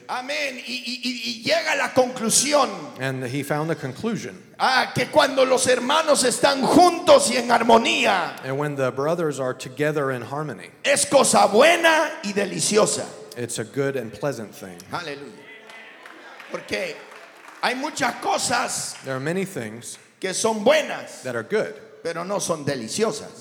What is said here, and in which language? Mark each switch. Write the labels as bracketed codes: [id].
[es] Amen. Y llega la conclusión. [en] And he found the conclusion. [es] Ah, que cuando los hermanos están juntos y en armonía. [en] And when the brothers are together in harmony. [es] Es cosa buena y deliciosa. [en] It's a good and pleasant thing. [es] Hallelujah. Porque hay muchas cosas. [en] There are many things. [es] Que son buenas. [en] That are good. [es] Pero no son deliciosas.